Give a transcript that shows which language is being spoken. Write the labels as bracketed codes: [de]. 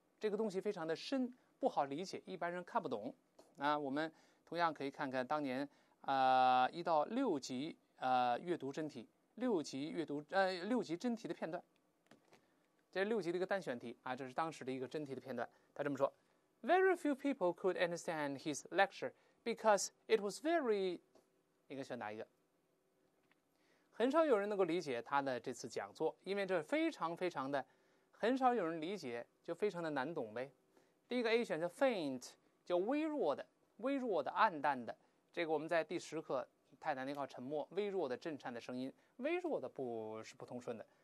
[zh] 这个东西非常的深，不好理解，一般人看不懂。那我们同样可以看看当年一到六级阅读真题。六级真题的片段，这是六级的一个单选题啊，这是当时的一个真题的片段。他这么说 ： [en] Very few people could understand his lecture because it was very， [zh] 应该选哪一个？很少有人能够理解他的这次讲座，因为这非常非常的，很少有人理解，就非常的难懂呗。第一个 A 选择 faint， 就微弱的、微弱的、暗淡的。这个我们在第十课。泰坦尼克号沉没，微弱的震颤的声音，微弱的不是不通顺的。